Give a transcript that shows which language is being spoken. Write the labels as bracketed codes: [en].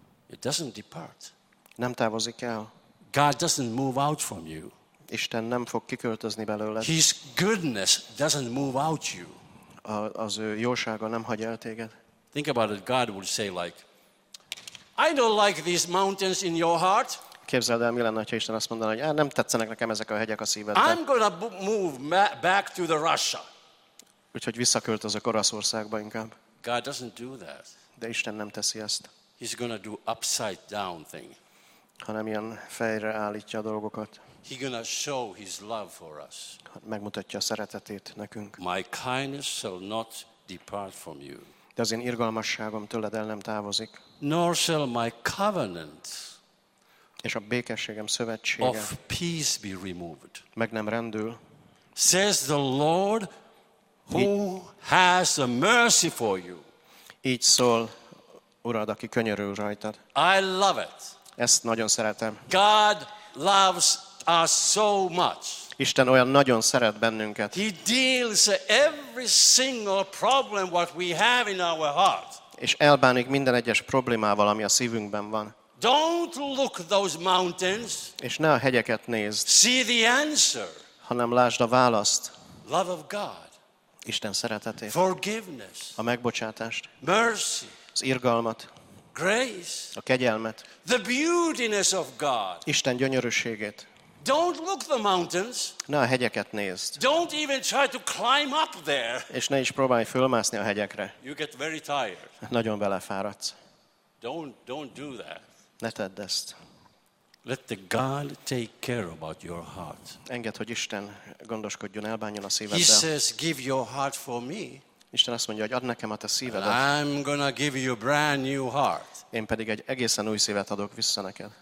[en] It doesn't depart. [hu] Nem távozik el. [en] God doesn't move out from you. [hu] Isten nem fog kiköltözni belőled. [en] His goodness doesn't move out you. [hu] Az ő jósága nem hagy el téged. [en] Think about it. God would say like, I don't like these mountains in your heart. [hu] Képzeld el, mi lenne, ha Isten azt mondaná, hogy nem tetszenek nekem ezek a hegyek a szívedben. [en] I'm gonna move back to the Russia. [hu] Úgyhogy visszaköltözök Oroszországba inkább. [en] God doesn't do that. [hu] De Isten nem teszi ezt. [en] He's gonna do upside down thing. [hu] Hanem ilyen fejre állítja a dolgokat. [en] He's gonna show his love for us. [hu] Megmutatja a szeretetét nekünk. [en] My kindness shall not depart from you. [hu] De az én irgalmasságom tőled el nem távozik. [en] Nor shall my covenant. [hu] És a békességem szövetsége. [en] Of peace be removed. [hu] Meg nem rendül. [en] Says the Lord, who has a mercy for you. [hu] Így szól Urad, aki könyörül rajtad. [en] I love it. [hu] Ezt nagyon szeretem. [en] God loves us so much. [hu] Isten olyan nagyon szeret bennünket. [en] He deals every single problem what we have in our heart. [hu] És elbánik minden egyes problémával, ami a szívünkben van. [en] Don't look those mountains. [hu] És ne a hegyeket nézd. [en] See the answer. [hu] Hanem lásd a választ. [en] Love of God. [hu] Isten szeretetét. [en] Forgiveness. [hu] A megbocsátást. [en] Mercy. [hu] Az irgalmat. [en] Grace. [hu] A kegyelmet. [en] The beautiness of God. [hu] Isten gyönyörűségét. [en] Don't look the mountains. [hu] Ne a hegyeket nézd. [en] Don't even try to climb up there. [hu] És ne is próbálj fölmászni a hegyekre. [en] You get very tired. [hu] Nagyon belefáradsz. [en] Don't do that. [hu] Ne tedd ezt. [en] Let the God take care about your heart. [hu] Engedd, hogy Isten gondoskodjon, elbánjon a szíveddel. [en] He says, give your heart for me. [hu] Isten azt mondja, hogy add nekem a te szívedet. [en] I'm gonna give you a brand new heart. [hu] Én pedig egy egészen új szívet adok vissza neked.